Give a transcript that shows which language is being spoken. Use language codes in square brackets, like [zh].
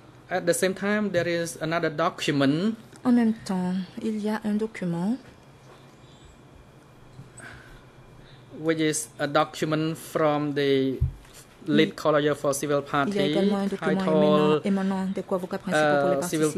[en] At the same time, there is another document. [fr] En même temps, il y a un document. [en] Which is a document from the lead lawyer for civil party. [fr] Il y a également un document émanant des co-avocats principaux pour les partis civils.